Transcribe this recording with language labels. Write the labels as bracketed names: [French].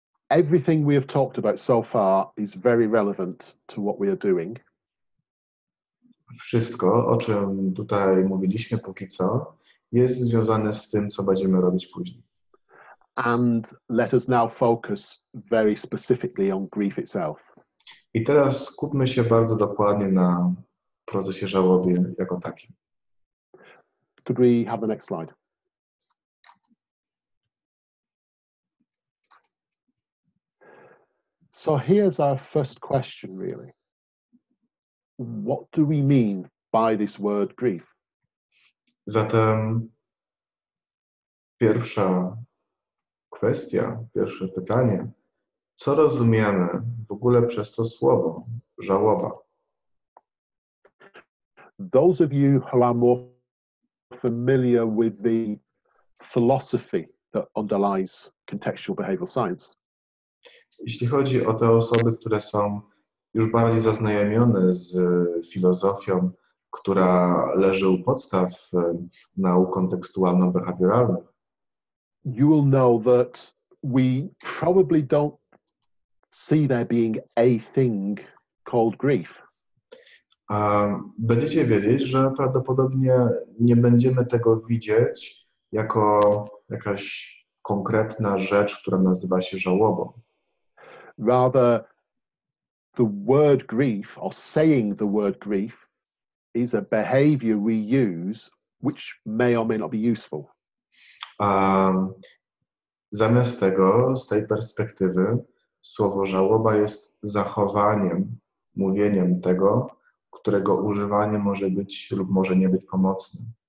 [English] Everything we have talked about so far is very relevant to what we are doing. [Polish] Wszystko, o czym tutaj mówiliśmy póki co, jest związane z tym, co będziemy robić później. [English] And let us now focus very specifically on grief itself. [Polish] I teraz skupmy się bardzo dokładnie na procesie żałoby jako takim. [English] Could we have the next slide? So here's our first question, really. What do we mean by this word grief? [Polish] Zatem pierwsza kwestia, pierwsze pytanie. Co rozumiemy w ogóle przez to słowo żałoba? [English] Those of you who are more familiar with the philosophy that underlies contextual behavioral science. [Polish] Jeśli chodzi o te osoby, które są już bardziej zaznajomione z filozofią, która leży u podstaw nauk kontekstualno-behawioralnych. [English] You will know that we probably don't see there being a thing called grief. [Polish] Będziecie wiedzieć, że prawdopodobnie nie będziemy tego widzieć jako jakaś konkretna rzecz, która nazywa się żałobą. [English] Rather, the word grief, or saying the word grief, is a behavior we use, which may or may not be useful. [Polish] Zamiast tego, z tej perspektywy, słowo żałoba jest zachowaniem, mówieniem tego, którego używanie może być lub może nie być pomocne.